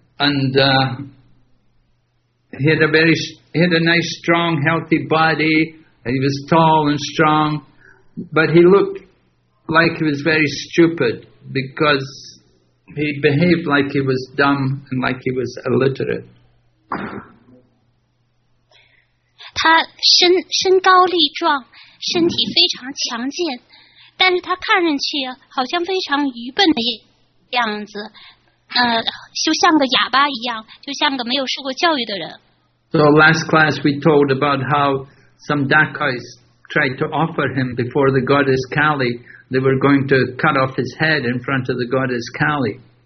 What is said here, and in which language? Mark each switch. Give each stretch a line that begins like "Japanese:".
English: And he had a nice, strong, healthy body. And he was tall and strong, but he looked like he was very stupid because he behaved like he was dumb and like he was illiterate.
Chinese: 他身高力壮，身体非常强健，但是他看上去好像非常愚笨的样子，就像个哑巴一样，就像个没有受过教育的人。
English: So last class we told about how some dacoits tried to offer him before the goddess Kali. They were going to cut off his head in front of the goddess Kali.